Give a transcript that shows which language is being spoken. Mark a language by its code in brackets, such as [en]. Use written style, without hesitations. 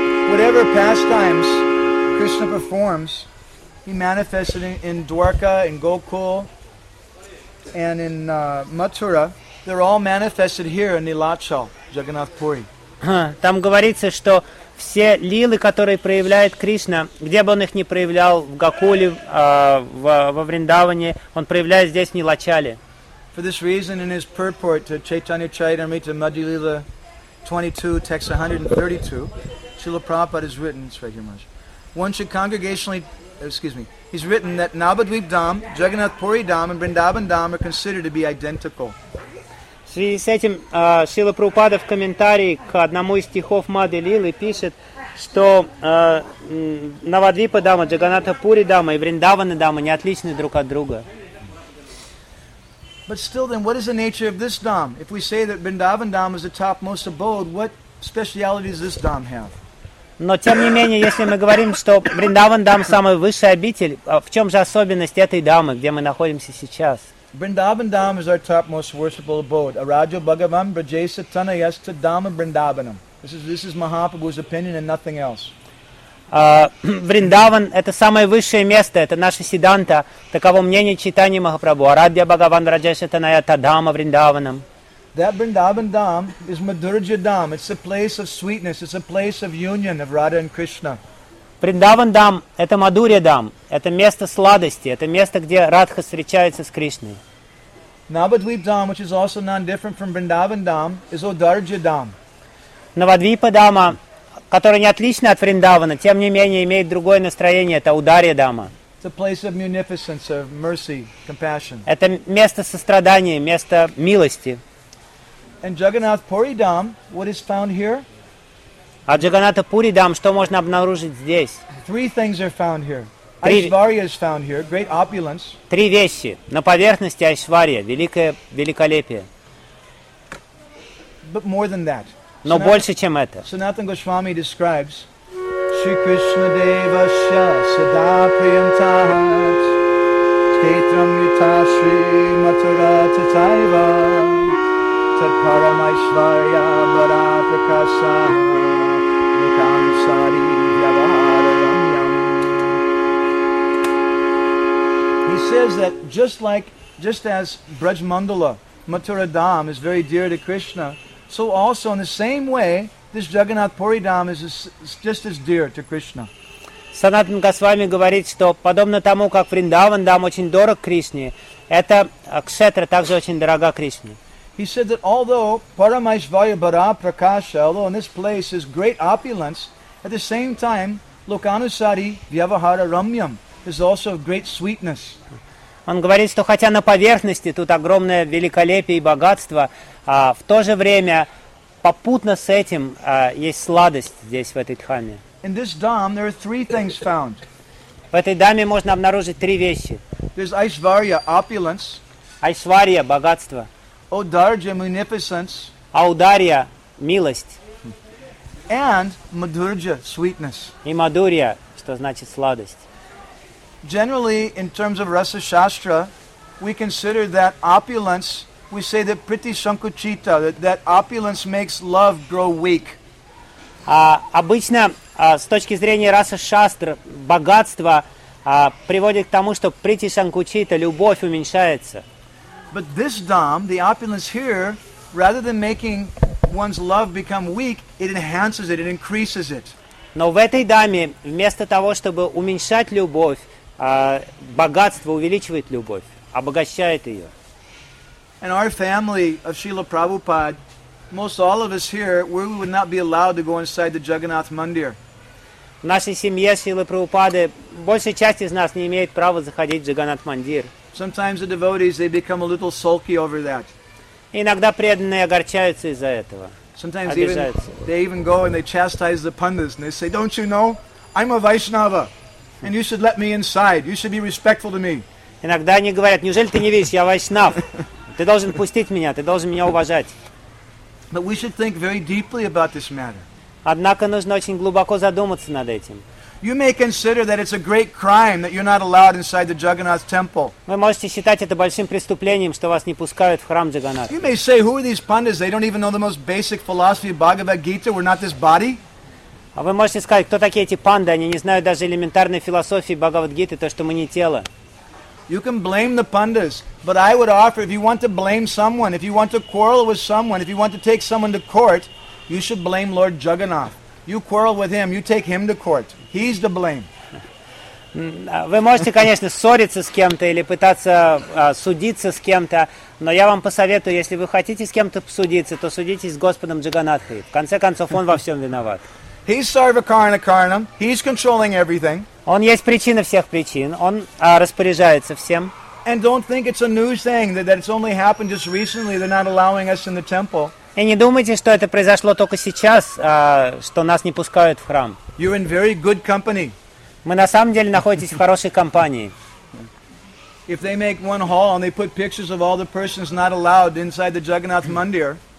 [en] Whatever pastimes Krishna performs, he manifests it in Dwarka, in Gokul, and in Mathura. They're all manifested here in Nilachal, Jagannath Puri. [ru] Там говорится, что все лилы, которые проявляет Кришна, где бы он их ни проявлял, в Гокуле, во Вриндаване, он проявляет здесь, в Нилачале. [en] For this reason, in his purport to Chaitanya Charitamrita Madhya Lila 22, text 132, Srila Prabhupada has written, one should congregationally, he's written that Navadvip Dham, Jagannath Puri Dham, and Vrindavan Dham are considered to be identical. [ru] В связи с этим Шрила Прабхупада в комментарии к одному из стихов Мадхи Лилы пишет, что Навадвипа Дама, Джаганнатха Пури Дама и Вриндавана Дама не отличны друг от друга. [en] But still then, what is the nature of this Dham? If we say that Vrindavan Dham is the topmost abode, what speciality does this Dham have? [ru] Но тем не менее, если мы говорим, что Вриндаван Дам самый высший обитель, в чем же особенность этой дамы, где мы находимся сейчас? [en] Vrindavan Dham is our topmost worshipable abode. [sa] Araja Bhagavan Brajay Satana Yasta Dhamma Vrindavanam. [en] This is Mahaprabhu's opinion and nothing else. [ru] Вриндаван это самое высшее место, это наше Сиданта. Таково мнение читания Махапрабху. [sa] Араджа Бхагаван Брджа Сатана Ята Дама Вриндаванам. [en] That Vrindavan Dham is Madhurja Dham. It's a place of sweetness. It's a place of union of Radha and Krishna. [ru] Vrindavan Dham – это Madhurya Dham. Это место сладости. Это место, где Радха встречается с Кришной. [en] Navadvipa Dham, which is also non-different from Vrindavan Dham, is Odarja Dham. [ru] Navadvipa Dhamma, которая не отлична от Вриндавана, тем не менее имеет другое настроение – это Ударья Дхамма. [en] It's a place of munificence, of mercy, compassion. [ru] Это место сострадания, место милости. [en] And Jagannath Puri Dham, what is found here? [ru] А Джаганнатха Пури Дам, что можно обнаружить здесь? [en] Three things are found here. Aishwarya is found here, great opulence. [ru] Три вещи на поверхности Aishwarya, великое великолепие. [en] But more than that. [ru] Но больше чем это. [en] Sanatana Goswami describes [sa] Shri Krishna Devasya Sada Priyantahat Ketram Yuta Shri Mathura Tataiva Paramaishvarya Bara Prakasa Nikam Sari Yavaharayam. [en] He says that just as Braj Mandala Mathura Dham is very dear to Krishna, so also in the same way this Jagannath Puri Dham is just as dear to Krishna. [ru] Sanatan Goswami говорит, что подобно тому, как Вриндаван Дам очень дорог Кришне, эта кшетра также очень дорога Кришне. [en] He said that although [sa] Paramaishvarya Bara Prakasha, [en] although in this place is great opulence, at the same time, [sa] Lokanusari Vyavahara Ramyam [en] is also of great sweetness. [ru] Он говорит, что хотя на поверхности тут огромное великолепие и богатство, в то же время попутно с этим есть сладость здесь, в этой дхаме. [en] In this dham, there are three things found. [ru] В этой дхаме можно обнаружить три вещи. [en] There's Aishwarya, opulence. [ru] Aishwarya, богатство. [en] Audarja, munificence. [ru] Audarya, милость. [en] And madhurja, sweetness. [ru] И madhurya, что значит сладость. [en] Generally, in terms of rasa shastra, we consider that opulence. We say that priti sankuchita, that opulence makes love grow weak. [ru] Обычно с точки зрения раса шастр богатство а приводит к тому, что прийти санкучита, любовь уменьшается. [en] But this dham, the opulence here, rather than making one's love become weak, it enhances it, it increases it. [ru] Но в этой даме, вместо того, чтобы уменьшать любовь, богатство увеличивает любовь, обогащает ее. [en] And our family of Srila Prabhupada, most all of us here, we would not be allowed to go inside the Jagannath Mandir. [ru] В нашей семье Шрилы Прабхупады большая часть из нас не имеет права заходить в Джаганнат Мандир. [en] Sometimes the devotees, they become a little sulky over that. [ru] Иногда преданные огорчаются из-за этого. [en] Sometimes they even go and they chastise the pandas and they say, "Don't you know? I'm a Vaishnava, and you should let me inside. You should be respectful to me." [ru] Иногда они говорят: "Неужели ты не видишь, я Вайшнав? Ты должен пустить меня, ты должен меня уважать." [en] But we should think very deeply about this matter. [ru] Однако нужно очень глубоко задуматься над этим. [en] You may consider that it's a great crime that you're not allowed inside the Jagannath temple. [ru] Вы можете считать это большим преступлением, что вас не пускают в храм Джаганнатха. [en] You may say, "Who are these pandas? They don't even know the most basic philosophy of Bhagavad Gita. We're not this body." [ru] А вы можете сказать, кто такие эти панды? Они не знают даже элементарной философии Бхагавад Гиты, то, что мы не тело. [en] You can blame the pandas, but I would offer, if you want to blame someone, if you want to quarrel with someone, if you want to take someone to court, you should blame Lord Jagannath. You quarrel with him, you take him to court. He's to blame. [ru] Вы можете, конечно, ссориться с кем-то или пытаться судиться с кем-то, но я вам посоветую, если вы хотите с кем-то судиться, то судитесь с Господом Джаганатхой. В конце концов, он во всем виноват. [en] He's Sarvakaranakaranam. He's controlling everything. [ru] Он есть причина всех причин. Он распоряжается всем. [en] And don't think it's a new thing that it's only happened just recently. They're not allowing us in the temple. [ru] И не думайте, что это произошло только сейчас, что нас не пускают в храм. [en] You're in very good company. [ru] Мы на самом деле находитесь в хорошей компании. [en] If they make one hall and they put pictures of all the persons not allowed inside the Jagannath Mandir.